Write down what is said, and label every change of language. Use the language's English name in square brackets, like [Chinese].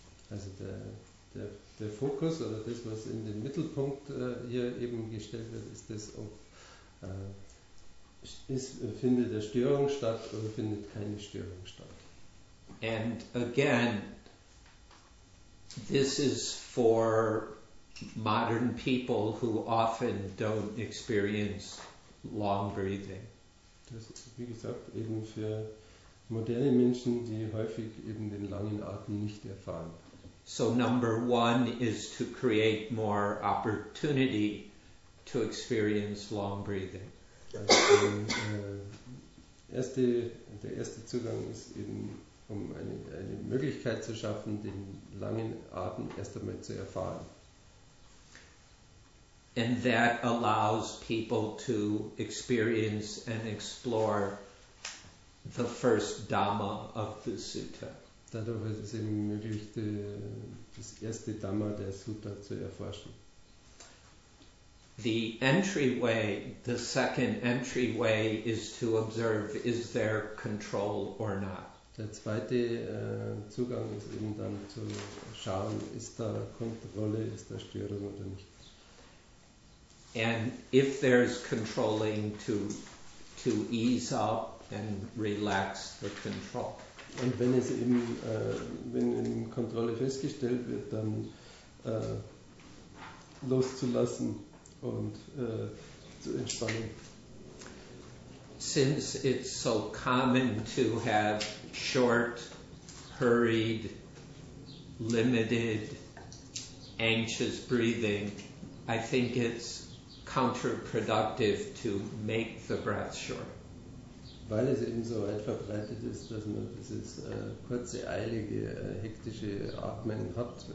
[German] Also der Fokus oder das, was in den Mittelpunkt hier eben gestellt wird, ist das, ob findet eine Störung statt oder findet keine Störung statt. [English] And again, this is for modern people who often don't experience long breathing. [German] Das ist, wie gesagt, eben für moderne Menschen, die häufig eben den langen Atem nicht erfahren. [English] So number one is to create more opportunity to experience long breathing. [German] Also, der erste Zugang ist eben, um eine Möglichkeit zu schaffen, den langen Atem erst einmal zu erfahren. [English] And that allows people to experience and explore the first Dhamma of the Sutta. [German] Dadurch ist es eben möglich, das erste Dhamma der Sutta zu erforschen. [English] The entryway, the second entryway, is to observe, is there control or not? [German] Der zweite Zugang ist eben dann zu schauen, ist da Kontrolle, ist da Störung oder nicht. [English] And if there's controlling, to ease up and relax the control. [German] Und wenn es eben wenn in Kontrolle festgestellt wird, dann loszulassen und zu entspannen. [English] Since it's so common to have short, hurried, limited, anxious breathing, I think it's counterproductive to make the breath short. [German] weil es eben so weit verbreitet ist, dass man dieses kurze, eilige, hektische Atmen hat.